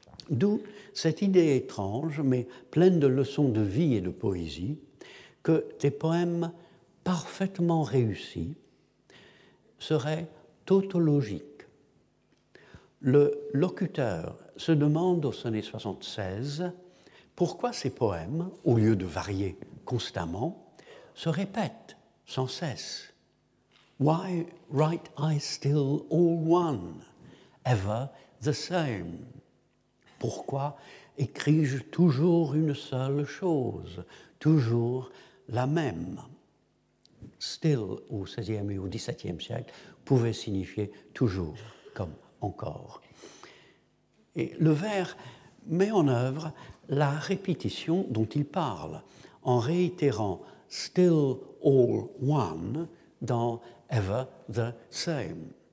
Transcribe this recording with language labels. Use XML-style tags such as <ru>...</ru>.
<fr>D'où cette idée étrange, mais pleine de leçons de vie et de poésie, que tes poèmes parfaitement réussis seraient tautologiques. Le locuteur se demande au sonnet 76 pourquoi ces poèmes, au lieu de varier constamment, se répètent sans cesse.</fr> <en>Why write I still all one, ever the same?</en> <fr>Pourquoi écris-je toujours une seule chose, toujours la même? Still, au XVIe et au XVIIe siècle, pouvait signifier toujours, comme encore. Et le vers met en œuvre la répétition dont il parle, en réitérant</fr> <en>still all one</en> <fr>dans</fr> <en>ever the same.</en>